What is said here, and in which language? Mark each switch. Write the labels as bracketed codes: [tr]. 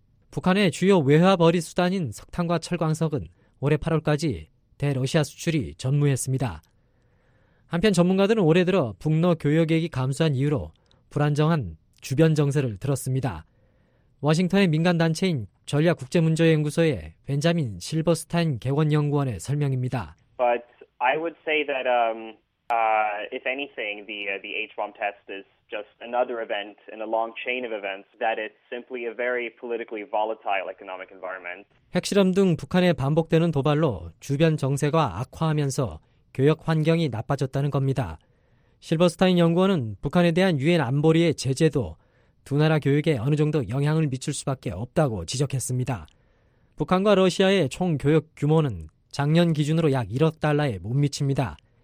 [ko] 북한의 주요 외화 벌이 수단인 석탄과 철광석은 올해 8월까지 대러시아 수출이 전무했습니다. 한편 전문가들은 올해 들어 북러 교역액이 감소한 이유로 불안정한 주변 정세를 들었습니다. 워싱턴의 민간단체인 전략국제문제연구소의 벤자민 실버스타인 개원연구원의 설명입니다. [en] But I would say that if anything, the H-bomb test is just another event in a long chain of events that it's simply a very politically volatile economic environment. [ko] 핵실험 등 북한의 반복되는 도발로 주변 정세가 악화하면서 교역 환경이 나빠졌다는 겁니다. 실버스타인 연구원은 북한에 대한 유엔 안보리의 제재도 두 나라 교역에 어느 정도 영향을 미칠 수밖에 없다고 지적했습니다. 북한과 러시아의 총 교역 규모는 작년 기준으로 약 1억 달러에 못 미칩니다.